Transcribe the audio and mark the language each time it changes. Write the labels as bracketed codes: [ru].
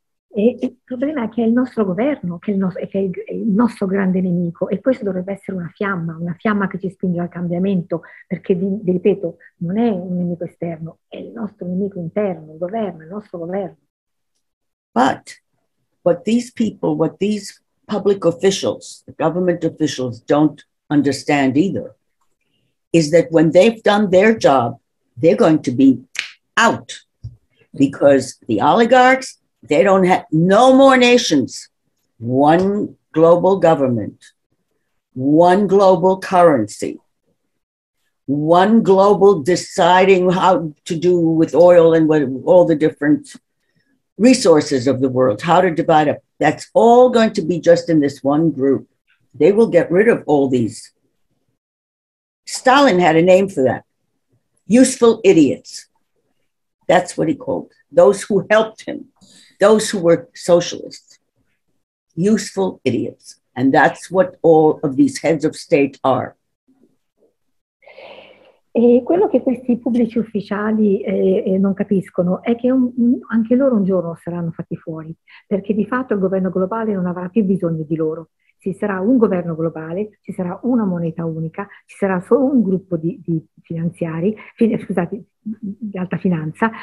[it] E il problema è che è il nostro governo, che è il nostro grande nemico, e questo dovrebbe essere una fiamma che ci spinge al cambiamento, perché, vi ripeto, non è un nemico esterno, è il nostro nemico interno, il governo, il nostro governo. [en] But what these people, what these public officials, the government officials don't understand either, is that when they've done their job, they're going to be out, because the oligarchs, they don't have no more nations. One global government, one global currency, one global deciding how to do with oil and what all the different resources of the world, how to divide up. That's all going to be just in this one group. They will get rid of all these. Stalin had a name for that. Useful idiots. That's what he called those who helped him, those who were socialists. Useful idiots. And that's what all of these heads of state are. [it] E quello che questi pubblici ufficiali non capiscono è che anche loro un giorno saranno fatti fuori, perché di fatto il governo globale non avrà più bisogno di loro. Ci sarà un governo globale, ci sarà una moneta unica, ci sarà solo un gruppo di finanziari, di alta finanza.